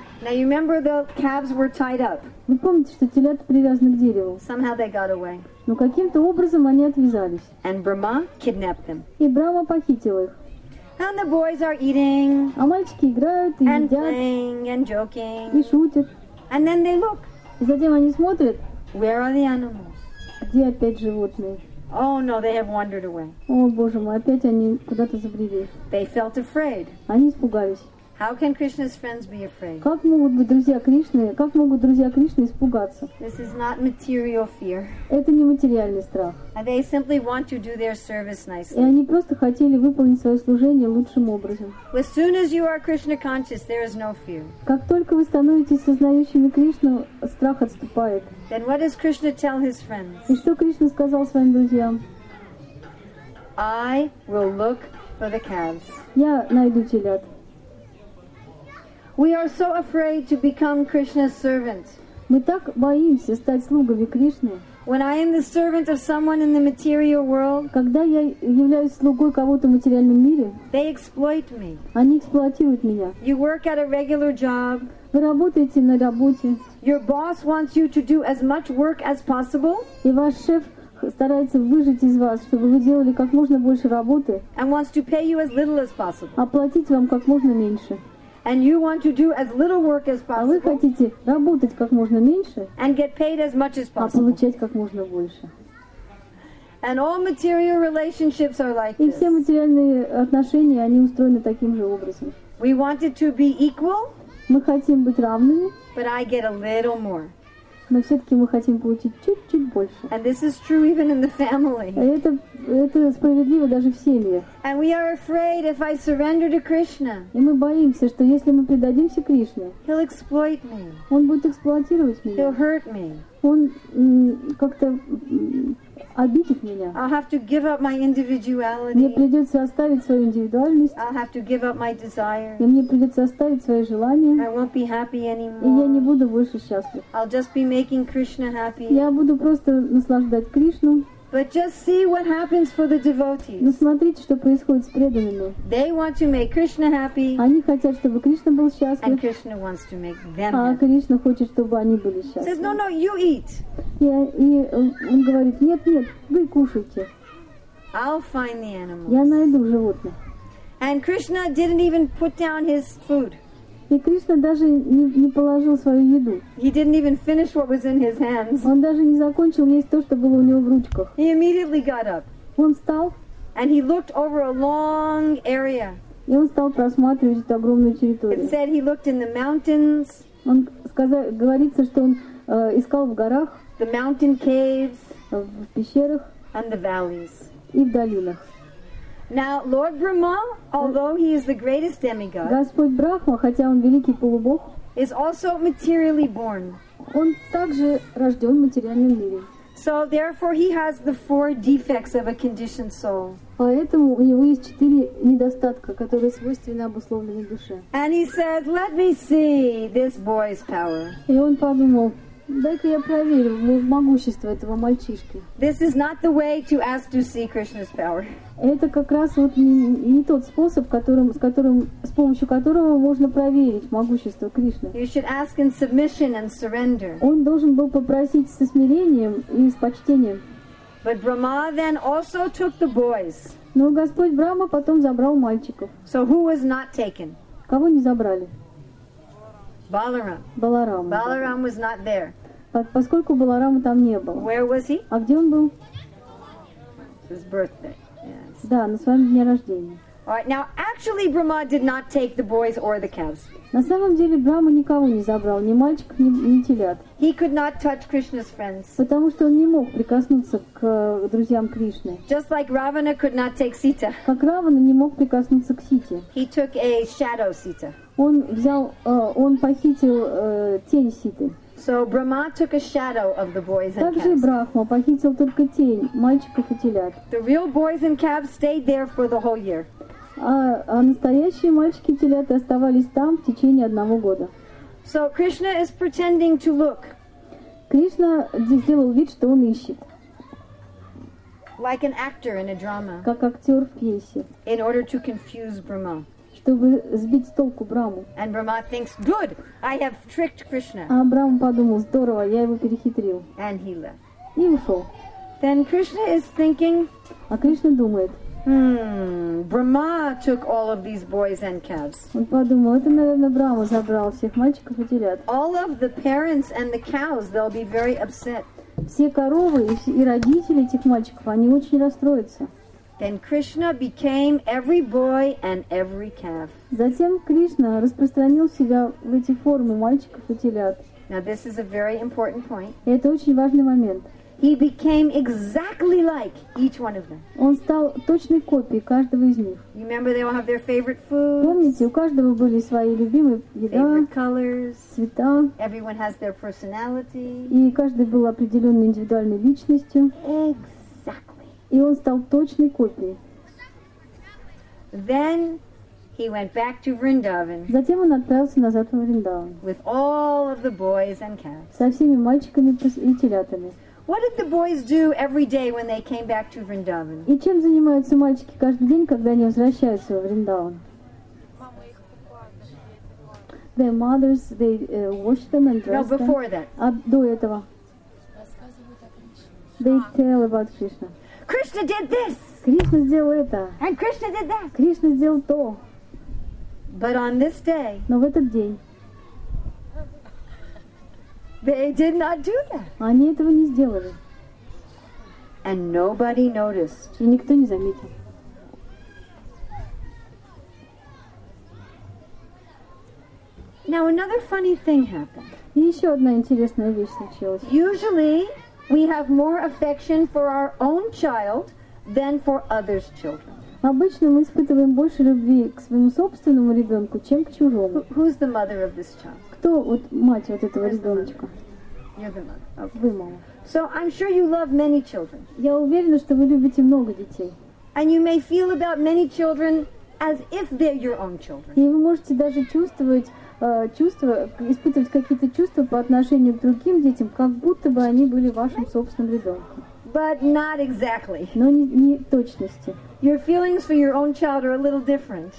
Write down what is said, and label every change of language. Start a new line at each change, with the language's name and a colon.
English: Now you remember the calves were tied up.
Russian: Вы помните, что телята привязаны к дереву?
English: Somehow they got away.
Russian: Но каким-то образом они отвязались.
English: And Brahma kidnapped them.
Russian: И Брахма похитил их.
English: And the boys are eating.
Russian: А мальчики играют и
English: and
Russian: едят.
English: And playing and joking.
Russian: И шутят.
English: And then they look.
Russian: И затем они смотрят.
English: Where are the animals?
Russian: Где опять животные?
English: Oh no, they have wandered away.
Russian: О боже мой, опять они куда-то забрели.
English: They felt afraid.
Russian: Они испугались.
English: How can Krishna's friends be afraid?
Russian: Как могут быть друзья Кришны? Как могут друзья Кришны испугаться?
English: This is not material fear.
Russian: Это не материальный страх.
English: And they simply want to do their service nicely.
Russian: И они просто хотели выполнить свое служение лучшим образом.
English: As soon as you are Krishna conscious, there is no fear.
Russian: Как только вы становитесь сознающими Кришну, страх отступает.
English: Then what does Krishna tell his friends?
Russian: И что Кришна сказал своим друзьям?
English: I will look for the calves.
Russian: Я найду телят.
English: We are so afraid to become Krishna's servant.
Russian: Мы так боимся стать слугами Кришны.
English: When I am the servant of someone in the material world,
Russian: когда я являюсь слугой кого-то в материальном мире,
English: they exploit me.
Russian: Они эксплуатируют меня.
English: You work at a regular job.
Russian: Вы работаете на работе.
English: Your boss wants you to do as much work as possible.
Russian: И ваш шеф старается выжать из вас, чтобы вы делали как можно больше работы.
English: And wants to pay you as little as possible.
Russian: Оплатить вам как можно меньше.
English: And you want to do as little work as possible.
Russian: А вы хотите работать как можно меньше.
English: And get paid as much as possible.
Russian: А получать как можно больше.
English: And all material relationships are like this.
Russian: И все материальные отношения, они устроены таким же образом.
English: We want it to be equal.
Russian: Мы хотим быть равными.
English: But I get a little more.
Russian: Но все-таки мы хотим получить чуть-чуть больше.
English: And this is true even in the family.
Russian: Это справедливо даже в семьях.
English: And we are afraid if I surrender to Krishna.
Russian: И мы боимся, что если мы предадимся Кришне,
English: he'll exploit me.
Russian: Он будет эксплуатировать меня.
English: He'll hurt me.
Russian: Он как-то обидит меня.
English: I'll have to give up my individuality.
Russian: Мне придется оставить свою индивидуальность.
English: I'll have to give up my desires.
Russian: И мне придется оставить свои желания.
English: I won't be happy anymore.
Russian: И я не буду больше счастлив.
English: I'll just be making Krishna happy.
Russian: Я буду просто наслаждать Кришну.
English: But just see what happens for the devotees.
Russian: Но смотрите, что происходит с преданными.
English: They want to make Krishna happy.
Russian: Они хотят, чтобы Кришна был счастлив.
English: And Krishna wants to make them happy.
Russian: А Кришна хочет, чтобы они были счастливы.
English: Says, no, no, you eat.
Russian: И он говорит, нет, нет, вы кушайте.
English: I'll find the animals.
Russian: Я найду животных.
English: And Krishna didn't even put down his food.
Russian: И Кришна даже не положил свою еду.
English: He didn't even finish what was in his hands.
Russian: Он даже не закончил есть то, что было у него в ручках.
English: He immediately got up.
Russian: Он встал.
English: And he looked over a long area.
Russian: И он стал просматривать эту огромную территорию.
English: It said he looked in the mountains.
Russian: Он сказал, говорится, что он искал в горах.
English: The mountain caves.
Russian: В пещерах.
English: And the valleys.
Russian: И в долинах.
English: Now, Lord Brahma, although he is the greatest demigod,
Russian: Господь Брахма, хотя он великий полубог,
English: is also materially born.
Russian: Он также рожден в материальном мире.
English: So, therefore, he has the four defects of a conditioned soul.
Russian: Поэтому у него есть четыре недостатка, которые свойственны обусловленной душе.
English: And he said, "Let me see this boy's power."
Russian: И он подумал. Дай-ка я проверю могущество этого мальчишки.
English: This is not the way to ask to see Krishna's power.
Russian: Это как раз вот не тот способ, с помощью которого можно проверить могущество Кришны.
English: You should ask in submission and surrender.
Russian: Он должен был попросить со смирением и с почтением.
English: But Brahma then also took the boys.
Russian: Но Господь Брахма потом забрал мальчиков.
English: So who was not taken?
Russian: Кого не забрали?
English: Баларам. Баларам was not there.
Russian: Поскольку Баларама там не было.
English: Where was he?
Russian: А где он был?
English: His birthday. Yes.
Russian: Да, на своем дне рождения.
English: All right, now actually Brahma did not take the boys or the calves.
Russian: На самом деле Брама никого не забрал, ни мальчик, ни телят.
English: He could not touch Krishna's friends.
Russian: Потому что он не мог прикоснуться к друзьям Кришны.
English: Just like Ravana could not take Sita.
Russian: Как Равана не мог прикоснуться к Сите.
English: He took a shadow Sita.
Russian: Он взял, он похитил тень Ситы.
English: So Brahma took a shadow of the boys and calves.
Russian: Также Брахма похитил только тень мальчиков и телят.
English: The real boys and calves stayed there for the whole year.
Russian: А настоящие мальчики и теляты оставались там в течение одного года.
English: So Krishna is pretending to look.
Russian: Кришна сделал вид, что он ищет.
English: Like an actor in a drama.
Russian: Как актер в пьесе.
English: In order to confuse Brahma.
Russian: Чтобы сбить с толку Браму.
English: And Brahma thinks, good, I have tricked Krishna.
Russian: А Брама подумал, здорово, я его перехитрил.
English: And he left.
Russian: И ушел.
English: Then Krishna is thinking.
Russian: А Кришна думает.
English: Brahma took all of these boys and calves.
Russian: Он подумал, это, наверное, Брама забрал всех мальчиков и телят.
English: All of the parents and the cows, they'll be very upset.
Russian: Все коровы и родители этих мальчиков, они очень расстроятся.
English: Then Krishna became every boy and every calf.
Russian: Затем Кришна распространил себя в эти формы мальчиков и телят.
English: Now this is a very important point.
Russian: Это очень важный момент.
English: He became exactly like each one of them.
Russian: Он стал точной копией каждого из них.
English: You remember they all have their favorite foods.
Russian: Помните, у каждого были свои любимые еда.
English: Favorite colors.
Russian: Цвета.
English: Everyone has their personality.
Russian: И каждый был определенной индивидуальной личностью.
English: Exactly.
Russian: И он стал точной копией.
English: Then he went back to Vrindavan.
Russian: Затем он отправился назад во Вриндаван.
English: With all of the boys and calves.
Russian: Со всеми мальчиками и телятами.
English: What did the boys do every day when they came back to Vrindavan?
Russian: И чем занимаются мальчики каждый день, когда они возвращаются во Вриндаван?
English: Their mothers, they wash them and dress them. No, before that.
Russian: А до этого?
English: They tell about Krishna. Krishna did this!
Russian: Кришна сделал это.
English: And Krishna did that!
Russian: Кришна сделал то.
English: But on this day,
Russian: но в этот день,
English: they did not do that.
Russian: Они этого не сделали.
English: And nobody noticed.
Russian: И никто не заметил.
English: Now another funny thing happened.
Russian: И еще одна интересная вещь случилась.
English: Usually we have more affection for our own child than for others' children.
Russian: Обычно мы испытываем больше любви к своему собственному ребенку, чем к чужому.
English: Who's the mother of this child?
Russian: Кто вот мать вот этого ребеночка?
English: You're the mother. Okay. So I'm sure you love many children.
Russian: Я уверена, что вы любите много детей.
English: And you may feel about many children as if they're your own children.
Russian: И вы можете даже испытывать какие-то чувства по отношению к другим детям, как будто бы они были вашим собственным ребенком.
English: But not exactly.
Russian: Но не точности.
English: Your feelings for your own child are a little different.